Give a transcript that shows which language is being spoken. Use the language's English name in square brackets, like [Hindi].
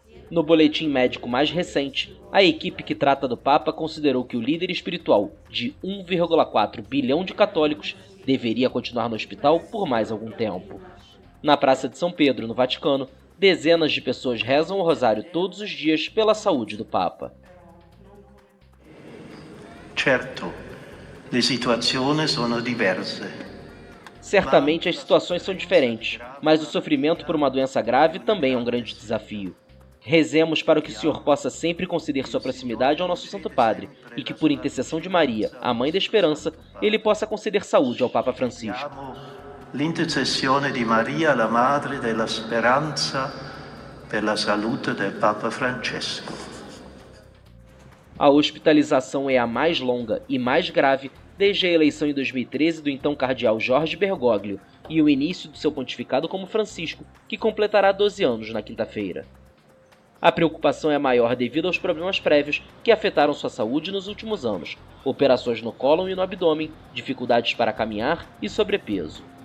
[Portuguese] No boletim médico mais recente, a equipe que trata do Papa considerou que o líder espiritual de 1,4 bilhão de católicos deveria continuar no hospital por mais algum tempo. Na Praça de São Pedro, no Vaticano, dezenas de pessoas rezam o rosário todos os dias pela saúde do Papa. [Italian] Certo, le situazioni sono diverse. [Portuguese] Certamente as situações são diferentes, mas o sofrimento por uma doença grave também é um grande desafio. Rezemos para que o Senhor possa sempre conceder sua proximidade ao nosso Santo Padre e que, por intercessão de Maria, a Mãe da Esperança, Ele possa conceder saúde ao Papa Francisco. [Italian] L'intercessione di Maria, la Madre della Speranza, per la salute del Papa Francesco. [Portuguese] A hospitalização é a mais longa e mais grave desde a eleição em 2013 do então cardeal Jorge Bergoglio e o início do seu pontificado como Francisco, que completará 12 anos na quinta-feira. A preocupação é maior devido aos problemas prévios que afetaram sua saúde nos últimos anos, operações no cólon e no abdômen, dificuldades para caminhar e sobrepeso.